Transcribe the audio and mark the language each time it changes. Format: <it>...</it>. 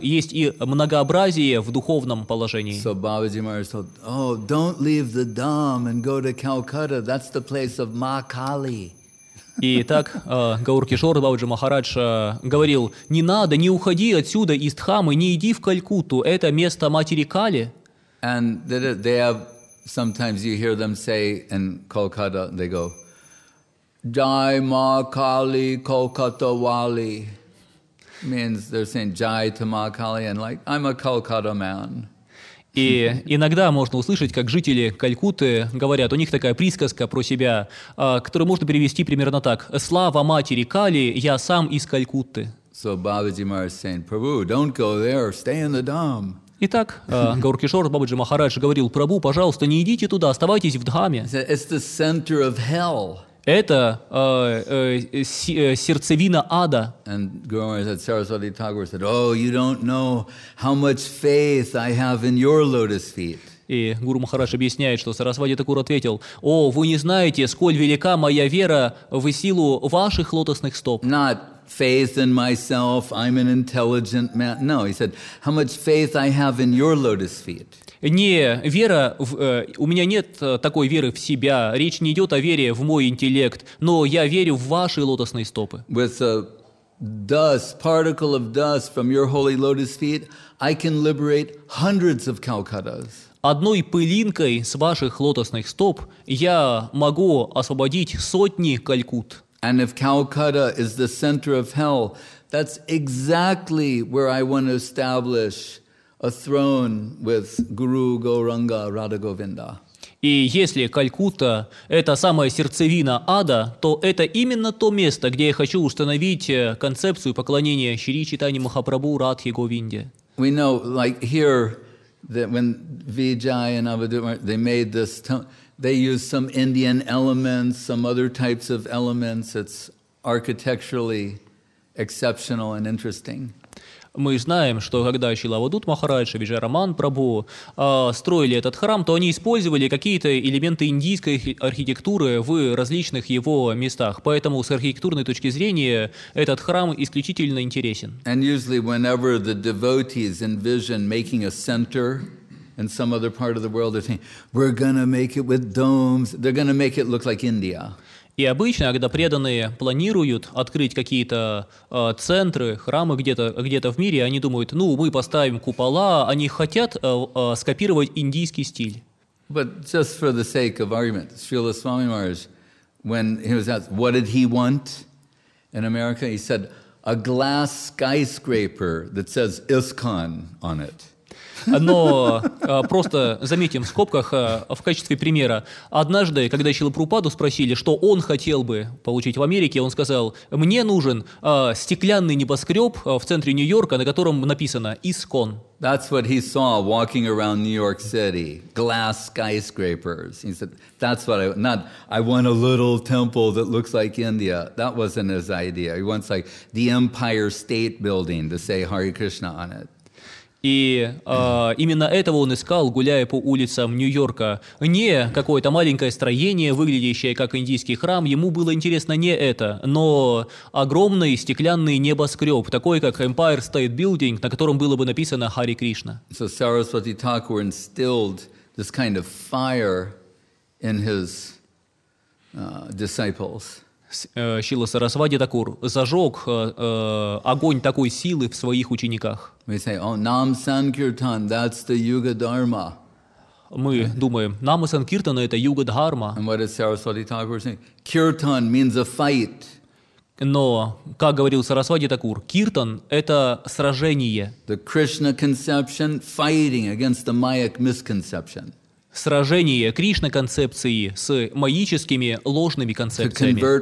<ru>Есть и многообразие в духовном положении.</ru> <en>So Babaji Maharaj said, oh, don't leave the Dham and go to Calcutta. That's the place of Ma Kali.</en> <ru>Итак, Гаур Кишор Бабаджи Махарадж говорил, не надо, не уходи отсюда из Дхамы, не иди в Калькутту, это место матери Кали.</ru> <en>And they have, sometimes you hear them say in Calcutta, they go, Jai Ma Kali Calcutta Wali. Means they're saying Jai to Ma Kali and like, I'm a Calcutta man.</en> <ru>И иногда можно услышать, как жители Калькутты говорят, у них такая присказка про себя, которую можно перевести примерно так. «Слава матери Кали, я сам из Калькутты».</ru> <en>So Бабаджи Махарадж saying, Prabhu, don't go there, stay in the Dham.</en> <ru>Итак, Гауркишор Бабаджи Махарадж говорил, Прабу, пожалуйста, не идите туда, оставайтесь в Дхаме.</ru> <en>It's the center of hell.</en> <ru>Это сердцевина ада.</ru> <en>And Sarasvati Thakur said, oh, you don't know how much faith I have in your lotus feet.</en> <ru>И Гуру Махарадж объясняет, что Сарасвати Такур ответил, «О, вы не знаете, сколь велика моя вера в силу ваших лотосных стоп».</ru> <en>Not faith in myself, I'm an intelligent man. No, he said, how much faith I have in your lotus feet.</en> <ru>Не вера, у меня нет такой веры в себя, речь не идет о вере в мой интеллект, но я верю в ваши лотосные стопы.</ru> <en>With a dust, particle of dust from your holy lotus feet, I can liberate hundreds of Calcuttas.</en> <ru>Одной пылинкой с ваших лотосных стоп я могу освободить сотни Калькут.</ru> <en>And if Calcutta is the center of hell, that's exactly where I want to establish a throne with Guru Gauranga Radha Govinda.</en> <ru>И если Калькутта – это самая сердцевина ада, то это именно то место, где я хочу установить концепцию поклонения Шри Чайтанья Махапрабху Радхе Говинде.</ru> <en>We know, like here, that when Vijay and Avadhuma, they made this, they used some Indian elements, some other types of elements. It's architecturally exceptional and interesting.</en> <ru>Мы знаем, что когда Шрила Авадут Махарадж и Виджайараман Прабху строили этот храм, то они использовали какие-то элементы индийской архитектуры в различных его местах. Поэтому с архитектурной точки зрения этот храм исключительно интересен. And usually whenever the devotees envision making a center in some other part of the world, they're saying, we're gonna make it with domes, they're gonna make it look like India. И обычно, когда преданные планируют открыть какие-то центры, храмы где-то в мире, они думают, ну, мы поставим купола, они хотят скопировать индийский стиль.</ru> <en>But just for the sake of argument, Srila Swami Maharaj, when he was asked, what did he want in America, he said, a glass skyscraper that says ISKCON on it.</en> <ru>Но просто заметим в скобках в качестве примера. Однажды, когда Шрила Прабхупаду спросили, что он хотел бы получить в Америке, он сказал, мне нужен стеклянный небоскреб в центре Нью-Йорка, на котором написано ISKCON.</ru> <en>That's what he saw walking around New York City, glass skyscrapers. He said, that's what I want. Not, I want a little temple that looks like India. That wasn't his idea. He wants like the Empire State Building to say Hare Krishna on it.</en> <ru>И именно этого он искал, гуляя по улицам Нью-Йорка. Не какое-то маленькое строение, выглядящее как индийский храм, ему было интересно не это, но огромный стеклянный небоскреб, такой как Empire State Building, на котором было бы написано «Хари Кришна».</ru> <en>So Saraswati Thakur instilled this kind of fire in his disciples.</en> <ru>Шрила Сарасвати Такур зажег огонь такой силы в своих учениках.</ru> <en>We say, oh, Nam Sankirtan, that's the Yuga Dharma.</en> <ru>Мы думаем, Нама Санкиртана – это Юга Дхарма.</ru> <en>And what is Sarasvati Thakur saying? Kirtan means a fight.</en> <ru>Но, как говорил Сарасвати Такур, киртан – это сражение.</ru> <en>The Krishna conception fighting against the Mayic misconception.</en> <ru>Сражение Кришна-концепции с маическими ложными концепциями.</ru>